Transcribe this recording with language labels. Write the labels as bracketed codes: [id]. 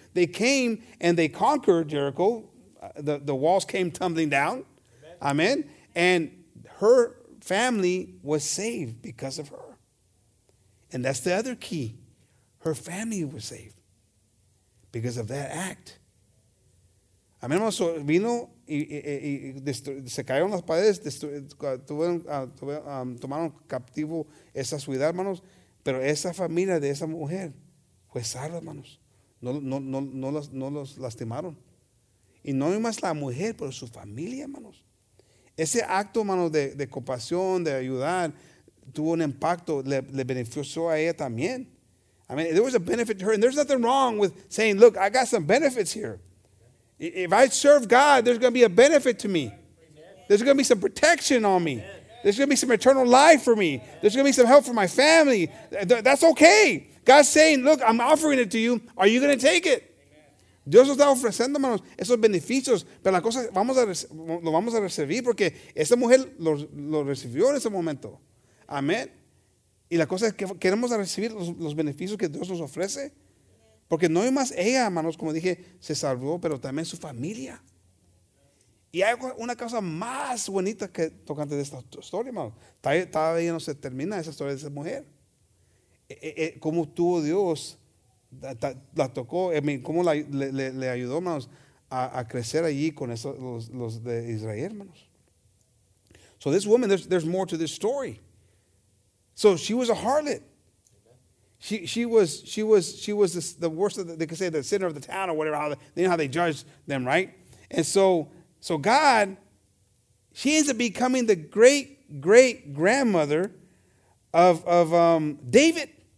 [en] They came and they conquered Jericho. The walls came tumbling down. Amen. Amen. And her family was saved because of her. And that's the other key. Her family was saved because of that act. [es] Amen. So vino. Y se cayeron las paredes, tomaron captivo esa ciudad, hermanos, pero esa familia de esa mujer fue salva, hermanos. No los lastimaron. Y no más la mujer, pero su familia, hermanos. Ese acto, hermanos, de compasión, de ayudar, tuvo un impacto, le benefició a ella también. [en] I mean, there was a benefit to her, and there's nothing wrong with saying, look, I got some benefits here. If I serve God, there's going to be a benefit to me. There's going to be some protection on me. There's going to be some eternal life for me. There's going to be some help for my family. That's okay. God's saying, look, I'm offering it to you. Are you going to take it? [es] Dios está ofreciendo, hermanos, esos beneficios. Pero la cosa, lo vamos a recibir, porque esa mujer lo recibió en ese momento. Amén. Y la cosa es que queremos recibir los beneficios que Dios nos ofrece. Porque no más ella, hermanos, como dije, se salvó, pero también su familia. Y hay una cosa más bonita que tocante de esta historia, hermano. Todavía no se termina esa historia de esa mujer. Cómo tuvo Dios, la tocó, cómo le ayudó, hermanos, a crecer allí con eso, los de Israel, hermanos. [en] So this woman, there's more to this story. So she was a harlot. She was the worst of they could say the sinner of the town or whatever. They know how they judge them, right? And so God, she ends up becoming the great great grandmother of David.